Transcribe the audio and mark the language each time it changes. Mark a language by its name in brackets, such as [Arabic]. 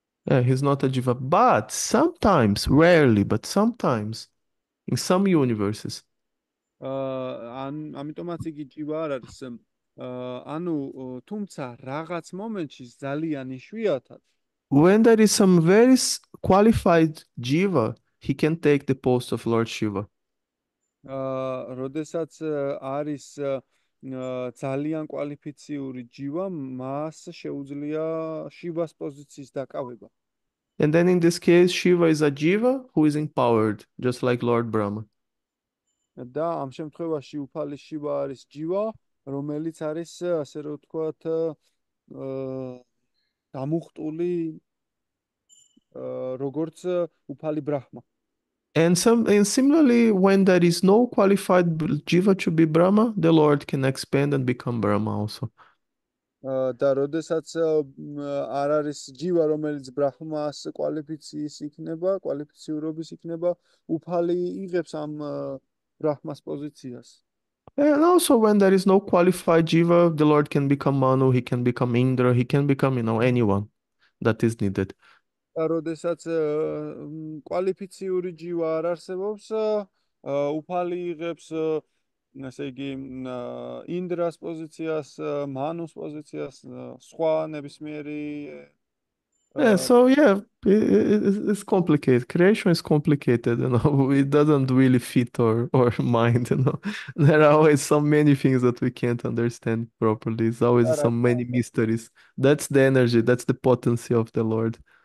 [English] Yeah, he's not a Jiva, but sometimes, rarely, but sometimes, in some universes. [Georgian] ამიტომაც იგი ჯივა არ არის. ანუ თუმცა რაღაც მომენტში ძალიან იშვიათად. [English] When there is some very qualified jiva, he can take the post of Lord Shiva. [Georgian] როდესაც არის ძალიან კვალიფიციური ჯივა, მას შეუძლია შივას პოზიციის დაკავება. [English] And then in this case, Shiva is a jiva who is empowered, just like Lord Brahma. [Georgian] და ამ შემთხვევაში უფალი შივა არის ჯივა, რომელიც არის ასე რომ ვთქვათ დამუხტული როგორც უფალი ბრაჰმა. [English] And similarly, when there is no qualified jiva to be Brahma, the Lord can expand and become Brahma also. [Georgian] და როდესაც არ არის ჯივა, რომელიც ბრაჰმას კვალიფიციის იქნება, კვალიფიციურობის იქნება, უფალი იღებს ამ ბრაჰმას პოზიციას. [English] And also, when there is no qualified jiva, the Lord can become Manu, he can become Indra, he can become, you know, anyone that is needed. [Georgian] და როდესაც კვალიფიციური ჯივა არ არსებობს, უფალი იღებს ასე იგი ინდრას პოზიციას, მანუს პოზიციას, სხვა ნებისმიერი [English] Yeah, so yeah, it's complicated. Creation is complicated, you know. It doesn't really fit our mind, you know. There are always so many things that we can't understand properly. There's always so many mysteries. That's the energy, that's the potency of the Lord.